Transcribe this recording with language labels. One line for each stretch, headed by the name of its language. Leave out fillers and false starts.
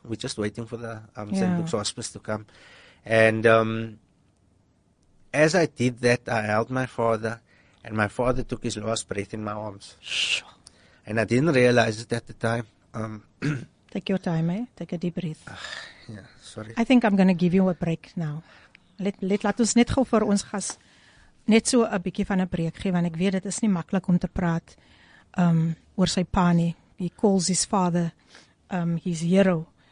English: We're just waiting for the St. Luke's Hospice to come." And as I did that, I held my father, and my father took his last breath in my arms. And I didn't realize it at the time. Take your time, eh? Take a deep breath. Yeah, sorry. I think I'm going to give you a break now.
Afrikaans: Laat ons net gou vir ons gas net so 'n bietjie van 'n breek gee, want ek weet dit is nie maklik om te praat oor sy pa nie.
English: He calls his father his hero.